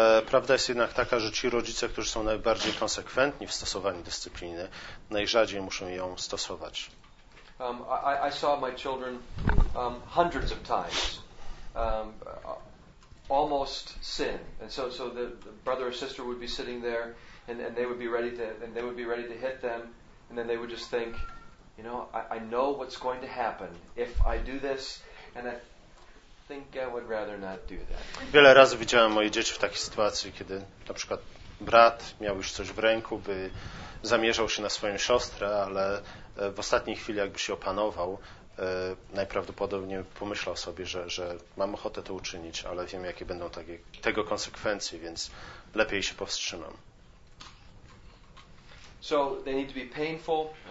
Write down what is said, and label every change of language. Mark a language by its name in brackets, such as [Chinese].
[Polish] Prawda jest jednak taka, że ci rodzice, którzy są najbardziej konsekwentni w stosowaniu dyscypliny, najrzadziej muszą ją stosować. [English] I saw my children hundreds of times. Almost sin, and so the brother or sister would be sitting there, and they would be ready to hit them, and then they would just think, you know, I know what's going to happen if I do this, and I think I would rather not do that. [Polish] Wiele razy widziałem moje dzieci w takiej sytuacji, kiedy na przykład brat miał już coś w ręku, by zamierzał się na swoją siostrę, ale w ostatniej chwili jakby się opanował, najprawdopodobniej pomyślał sobie, że mam ochotę to uczynić, ale wiem, jakie będą tego konsekwencje, więc lepiej się powstrzymam. [English] So they need to be painful.